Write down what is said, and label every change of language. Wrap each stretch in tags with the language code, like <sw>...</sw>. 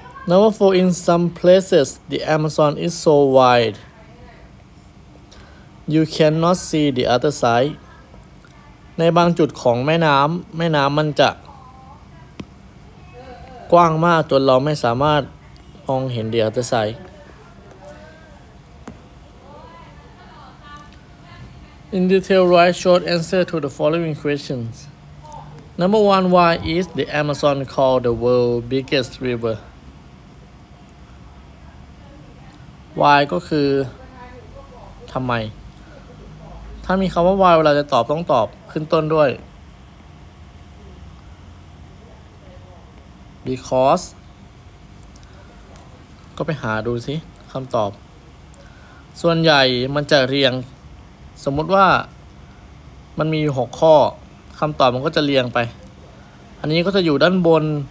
<en>Number 4 in some places the Amazon is so wide you cannot see the other side</en> <th>ในบางจุดของแม่น้ำมันจะกว้างมากจนเราไม่สามารถมองเห็น</th> <en>the other sideIn detail, write short answer to the following questions. Number one, why is the Amazon called the world's biggest river?</en> <th>Why ก็คือทำไมถ้ามีคำว่า why เวลาจะตอบต้องตอบขึ้นต้นด้วย because ก็ไปหาดูสิคำตอบส่วนใหญ่มันจะเรียงสมมติว่ามันมีอยู่6ข้อคำตอบมันก็จะเรียงไปอันนี้ก็จะอยู่ด้านบน</th>